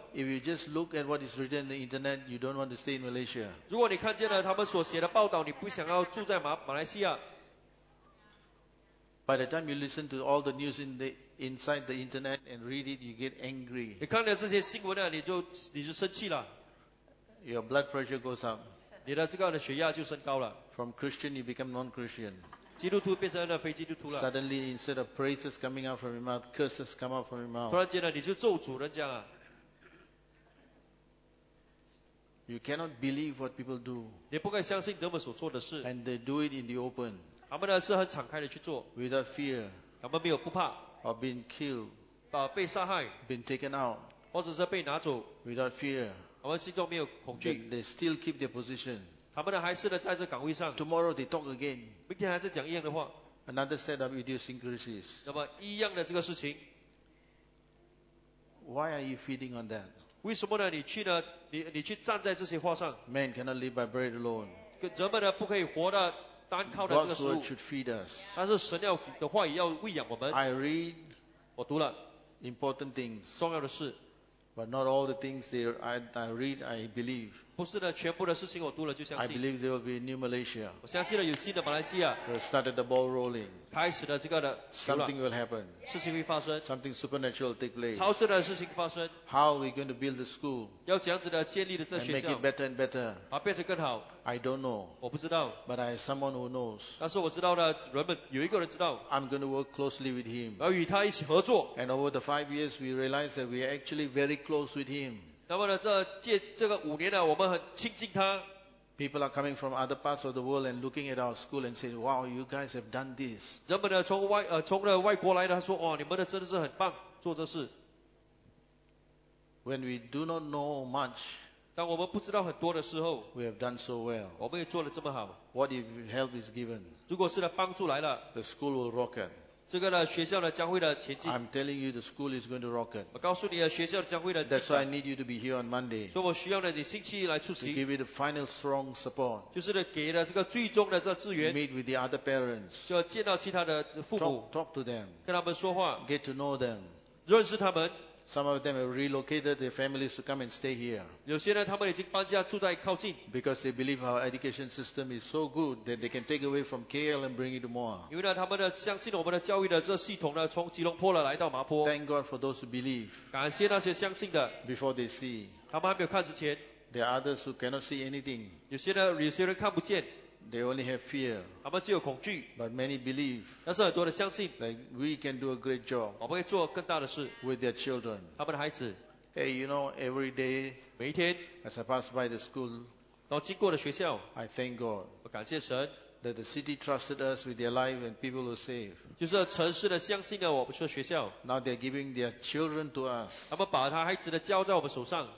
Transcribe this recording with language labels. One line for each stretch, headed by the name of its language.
English: If you just look at what is written in the internet, you don't want to stay in Malaysia.
Chinese: 如果你看见了他们所写的报道，你不想要住在马来西亚。
English: By the time you listen to all the news inside the internet and read it, you get angry.
Chinese: 你看了这些新闻呢，你就生气了。
English: Your blood pressure goes up.
Chinese: 你的这个血压就升高了。
English: From Christian, you become non-Christian.
Chinese: 基督徒变成了非基督徒了。
English: Suddenly, instead of praises coming out from your mouth, curses come out from your mouth.
Chinese: 突然间呢，你就咒诅人家了。
English: You cannot believe what people do.
Chinese: 你不敢相信他们所做的事。
English: And they do it in the open.
Chinese: 他们呢是很敞开的去做。
English: Without fear.
Chinese: 他们没有不怕。
English: Or being killed.
Chinese: 被杀害。
English: Been taken out.
Chinese: 或者是被拿走。
English: Without fear.
Chinese: 他们心中没有恐惧。
English: They still keep their position.
Chinese: 他们还是在这岗位上。
English: Tomorrow they talk again.
Chinese: 明天还是讲一样的话。
English: Another set of idiosyncrasies.
Chinese: 那么一样的这个事情。
English: Why are you feeding on that?
Chinese: 为什么呢？你去站在这些话上。
English: Man cannot live by bread alone.
Chinese: 人们呢不可以活的单靠的这个食物。
English: God's word should feed us.
Chinese: 但是神要的话也要喂养我们。
English: I read.
Chinese: 我读了。
English: Important things.
Chinese: 重要的事。
English: But not all the things I read, I believe.
Chinese: 不是的，全部的事情我读了就相信。
English: I believe there will be a new Malaysia.
Chinese: 我相信了有新的马来西亚。
English: We started the ball rolling.
Chinese: 开始了这个的。
English: Something will happen.
Chinese: 事情会发生。
English: Something supernatural will take place.
Chinese: 超自然的事情发生。
English: How are we going to build the school?
Chinese: 要怎样子的建立的这学校。
English: And make it better and better.
Chinese: 把变成更好。
English: I don't know.
Chinese: 我不知道。
English: But I have someone who knows.
Chinese: 但是我知道了，人们有一个人知道。
English: I'm going to work closely with him.
Chinese: 要与他一起合作。
English: And over the 5 years, we realize that we are actually very close with him.
Chinese: 那么呢，这个五年呢，我们很亲近他。
English: People are coming from other parts of the world and looking at our school and saying, "Wow, you guys have done this."
Chinese: 人们呢，从外国来的，他说，哦，你们的真的是很棒，做这事。
English: When we do not know much,
Chinese: 当我们不知道很多的时候
English: ，we have done so well.
Chinese: 我们也做得这么好。
English: What if help is given?
Chinese: 如果是呢，帮助来了
English: ，the school will rocket.
Chinese: 这个呢，学校呢将会的前进。
English: I'm telling you, the school is going to rocket.
Chinese: 我告诉你啊，学校将会的。
English: That's why I need you to be here on Monday.
Chinese: 所以我需要呢，你星期一来出席。
English: To give you the final strong support.
Chinese: 就是呢，给了这个最终的这资源。
English: Meet with the other parents.
Chinese: 就要见到其他的父母。
English: Talk to them.
Chinese: 跟他们说话。
English: Get to know them.
Chinese: 认识他们。
English: Some of them have relocated their families to come and stay here.
Chinese: 有些呢，他们已经搬家住在靠近。
English: Because they believe our education system is so good that they can take away from KL and bring it to Moa.
Chinese: 因为呢，他们呢相信我们的教育的这系统呢，从吉隆坡呢来到麻坡。
English: Thank God for those who believe.
Chinese: 感谢那些相信的。
English: Before they see.
Chinese: 他们还没有看之前。
English: There are others who cannot see anything.
Chinese: 有些人看不见。
English: They only have fear.
Chinese: 他们只有恐惧。
English: But many believe.
Chinese: 但是很多人相信。
English: That we can do a great job.
Chinese: 我们可以做更大的事。
English: With their children.
Chinese: 他们的孩子。
English: Hey, you know, every day.
Chinese: 每一天。
English: As I pass by the school.
Chinese: 然后经过了学校,
English: I thank God.
Chinese: 我感谢神,
English: that the city trusted us with their life and people were saved.
Chinese: 就是城市的相信了, 我不去了学校,
English: now they're giving their children to us.
Chinese: 他们把他孩子的交在我们手上,